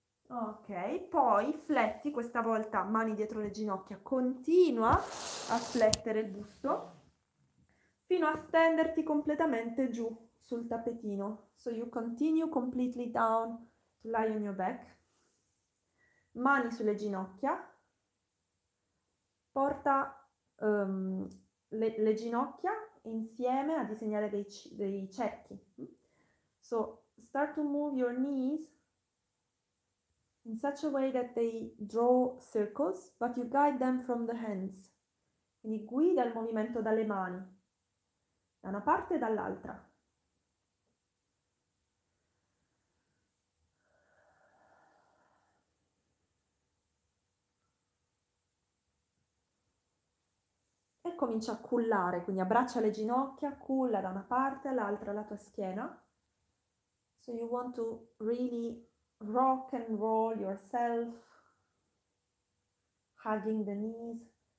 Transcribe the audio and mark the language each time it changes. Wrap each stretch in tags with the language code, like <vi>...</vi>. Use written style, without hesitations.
<it>Ok, poi fletti, questa volta mani dietro le ginocchia, continua a flettere il busto fino a stenderti completamente giù sul tappetino.</it> <en>So you continue completely down to lie on your back.</en> <it>Mani sulle ginocchia. Porta le ginocchia insieme a disegnare dei cerchi.</it> <en>So start to move your knees in such a way that they draw circles, but you guide them from the hands.</en> <it>Quindi guida il movimento dalle mani, da una parte e dall'altra. Comincia a cullare, quindi abbraccia le ginocchia, culla da una parte all'altra la tua schiena.</it> <en>So you want to really rock and roll yourself, hugging the knees</en>